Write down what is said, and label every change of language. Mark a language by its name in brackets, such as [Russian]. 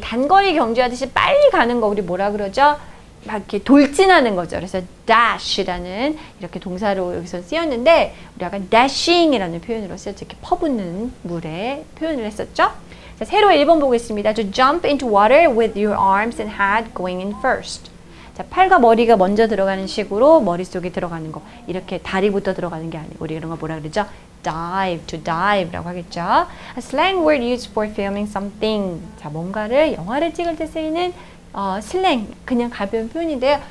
[Korean] 단거리 경주하듯이 빨리 가는 거 우리 뭐라 그러죠? 막 이렇게 돌진하는 거죠. 그래서 dash라는 이렇게 동사로 여기서 쓰였는데 우리가 dashing이라는 표현으로 쓰였죠. 이렇게 퍼붓는 물에 표현을 했었죠. 자, 세로 1번 보겠습니다. [English] To jump into water with your arms and head going in first. [Korean] 자, 팔과 머리가 먼저 들어가는 식으로 머릿속에 들어가는 거. 이렇게 다리부터 들어가는 게 아니고 우리 이런 거 뭐라 그러죠? [English] Dive, to dive라고 하겠죠. A slang word used for filming something. [Korean] 자, 뭔가를 영화를 찍을 때 쓰이는 슬랭, 그냥 가벼운 표현인데요.